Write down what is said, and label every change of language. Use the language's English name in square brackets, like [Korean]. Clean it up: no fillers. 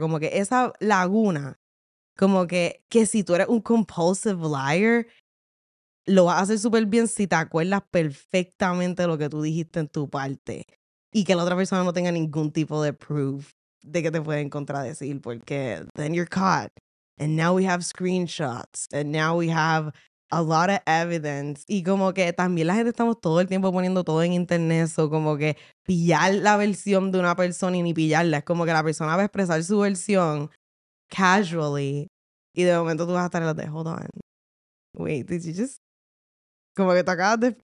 [Spanish] Como que esa laguna, como que si tú eres un compulsive liar, lo vas a hacer súper bien si te acuerdas perfectamente lo que tú dijiste en tu parte. Y que la otra persona no tenga ningún tipo de proof de que te pueden contradecir. [English] Porque then you're caught. And now we have screenshots. And now we have a lot of evidence. [Spanish] Y como que también la gente estamos todo el tiempo poniendo todo en internet. So como que pillar la versión de una persona y ni pillarla. Es como que la persona va a expresar su versión casually. Y de momento tú vas a estar en la de, [English] hold on. Wait, did you just... [Spanish] Como que te acabas de...